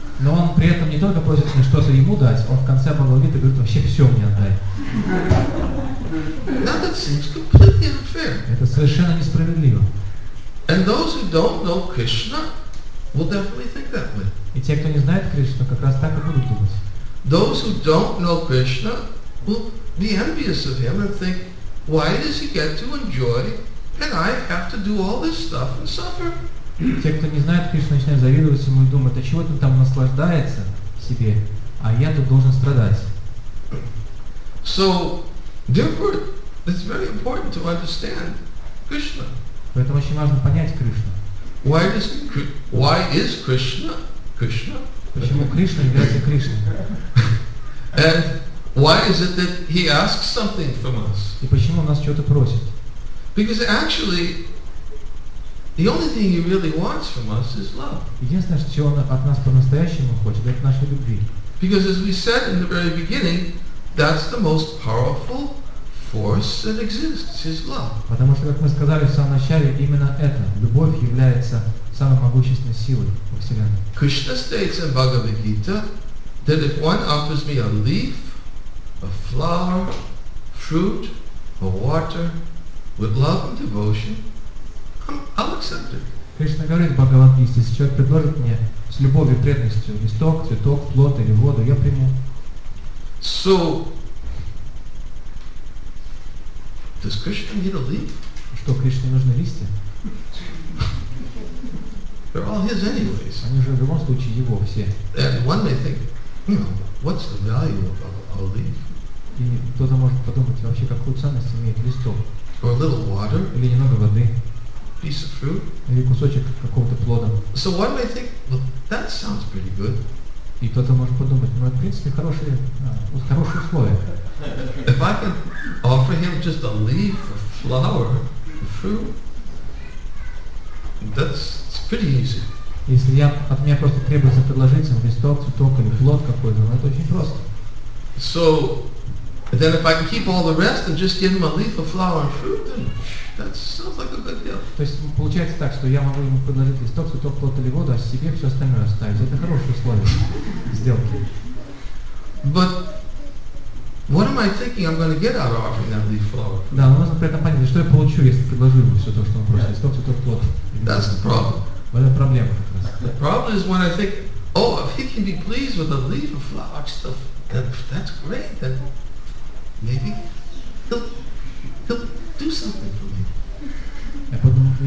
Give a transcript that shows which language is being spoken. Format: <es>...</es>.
<ru>Но он при этом не только просит мне что-то ему дать, он в конце Бхагавад Гиты говорит, вообще все мне отдай.</ru> <en>Now that seems completely unfair.</en> <ru>Это совершенно несправедливо.</ru> <en>And those who don't know Krishna will definitely think that way.</en> <ru>И те, кто не знает Кришну, как раз так и будут думать.</ru> <en>Those who don't know Krishna will be envious of him and think, why does he get to enjoy and I have to do all this stuff and suffer?</en> <ru>Те, кто не знает Кришну, начинают завидовать ему и думают, а чего ты там наслаждается себе, а я тут должен страдать.</ru> <en>So, therefore, it's very important to understand Krishna.</en> <ru>Поэтому очень важно понять Кришну.</ru> <en>why is Krishna Krishna?</en> <ru>Почему Кришна является Кришной?</ru> <en>And why is it that he asks something from us?</en> <ru>И почему он нас что-то просит?</ru> <en>Because actually, the only thing he really wants from us is love.</en> <ru>Единственное, что он от нас по-настоящему хочет, это нашей любви.</ru> <en>Because as we said in the very beginning, that's the most powerful force that exists, his love.</en> <ru>Потому что, как мы сказали в самом начале, именно это, любовь является самой могущественной силой во Вселенной.</ru> <en>Krishna states in Bhagavad Gita that if one offers me a leaf, a flower, fruit, a water, with love and devotion, I'll accept it.</en> <ru>Кришна говорит в Бхагавад Гите, если человек предложит мне с любовью и преданностью листок, цветок, плод или воду, я приму.</ru> <en>So, does Krishna need a leaf?</en> <ru>Что, Кришне нужны листья?</ru> <en>They're all his anyways.</en> <ru>Они же в любом случае его все.</ru> <en>And one may think, what's the value of a leaf?</en> <ru>И кто-то может подумать, вообще какую ценность имеет листок?</ru> <en>Or a little water?</en> <ru>Или немного воды?</ru> <en>Piece of fruit?</en> <ru>Или кусочек какого-то плода?</ru> <en>So one may think, well, that sounds pretty good.</en> <ru>И кто-то может подумать, в принципе хорошие условия.</ru> <en>If I can offer him just a leaf, a flower, a fruit, that's pretty easy.</en> <ru>Если от меня просто требуется предложить ему листок, цветок или плод какой-то, это очень просто.</ru> <en>So but then if I can keep all the rest and just give him a leaf, a flower, and fruit, then that sounds like a good deal.</en> <ru>То есть получается так, что я могу ему предложить листок, цветок, плод или воду, а себе все остальное оставить. Это хорошие условия сделки.</ru> <en>But what am I thinking I'm going to get out of offering that leaf, flower?</en> <ru>Да, но нужно при этом понять, что я получу, если предложу ему все то, что он просит, листок, цветок, плод.</ru> <en>That's the problem.</en> <ru>Вот это проблема как раз.</ru> <en>The problem is when I think, oh, if he can be pleased with a leaf, a flower, stuff, that's great, then maybe he'll do something for me.</en>